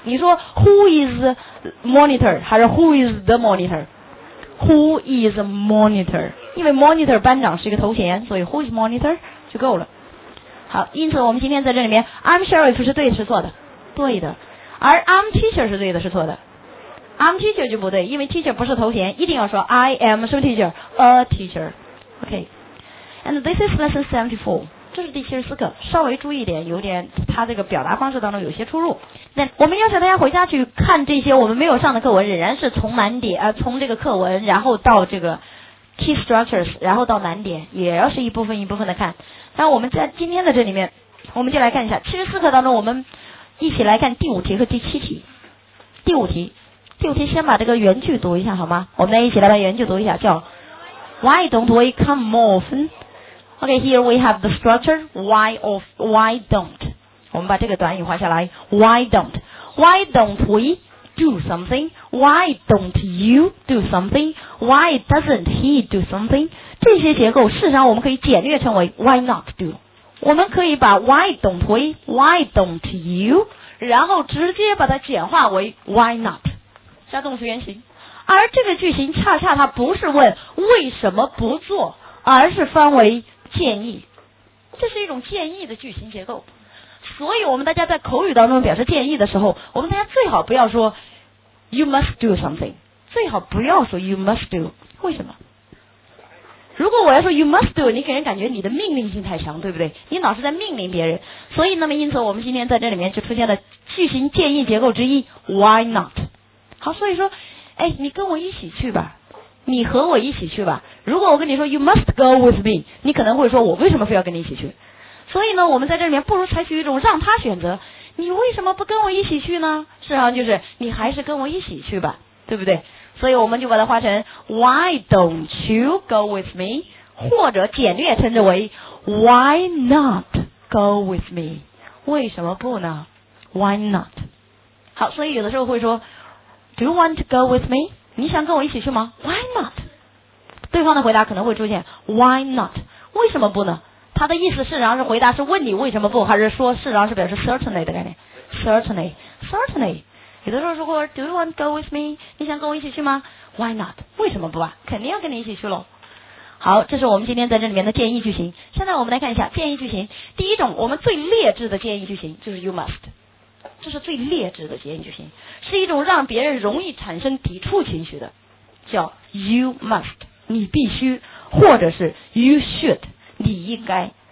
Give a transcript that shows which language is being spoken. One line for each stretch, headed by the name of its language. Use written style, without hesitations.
Chinese: 你说 who is monitor 还是 who is the monitor？
English: Who is monitor？
Chinese: 因为 monitor 班长是一个头衔，所以 who is monitor 就够了。好，因此我们今天在这里面 I'm sheriff 是对是错的？对的。而 I'm teacher 是对的是错的？ I'm teacher 就不对，因为 teacher 不是头衔，一定要说 I am 什么 teacher， a teacher。 OK， and this is lesson 74，这是第74课，稍微注意一点，有点他这个表达方式当中有些出入。那我们要求大家回家去看这些我们没有上的课文，仍然是从难点从这个课文，然后到这个 key structures， 然后到难点，也要是一部分一部分的看。那我们在今天的这里面，我们就来看一下74课当中，我们一起来看第五题和第七题。第五题先把这个原句读一下好吗？我们来一起来把原句读一下，叫 Why don't we come more often?
English: OK, here we have the structure why don't. 我们把这个短语画下来 Why don't we do something? Why don't you do something? Why doesn't he do something?
Chinese: 这些结构事实上我们可以简略称为 why not do。我们可以把 why don't we, why don't you, 然后直接把它简化为 why not, 加动词原形。而这个句型恰恰它不是问为什么不做，而是翻为建议。这是一种建议的句型结构。所以我们大家在口语当中表示建议的时候，我们大家最好不要说 you must do something, 最好不要说 you must do, 为什么？如果我要说 you must do, 你给人感觉你的命令性太强，对不对？你老是在命令别人。所以那么因此我们今天在这里面就出现了句型建议结构之一 why not。好，所以说哎，你跟我一起去吧，你和我一起去吧。如果我跟你说 you must go with me, 你可能会说我为什么非要跟你一起去。所以呢，我们在这里面不如采取一种让他选择，你为什么不跟我一起去呢？事实上就是你还是跟我一起去吧，对不对？所以我们就把它化成 why don't you go with me, 或者简略称之为 why not go with me, 为什么不呢？
English: why not。
Chinese: 好，所以有的时候会说 do you want to go with me, 你想跟我一起去吗？ why not, 对方的回答可能会出现 why not, 为什么不呢？他的意思事实上是回答是问你为什么不，还是说事实上是表示 certainly 的概念。 certainly, certainly, 有的时候说 do you want to go with me, 你想跟我一起去吗？ why not, 为什么不啊，肯定要跟你一起去咯。好，这是我们今天在这里面的建议句型。现在我们来看一下建议句型。第一种我们最劣质的建议句型就是 you must, 这是最劣质的建议句型，是一种让别人容易产生抵触情绪的，叫 you must, 你必须，或者是 you should,你应该。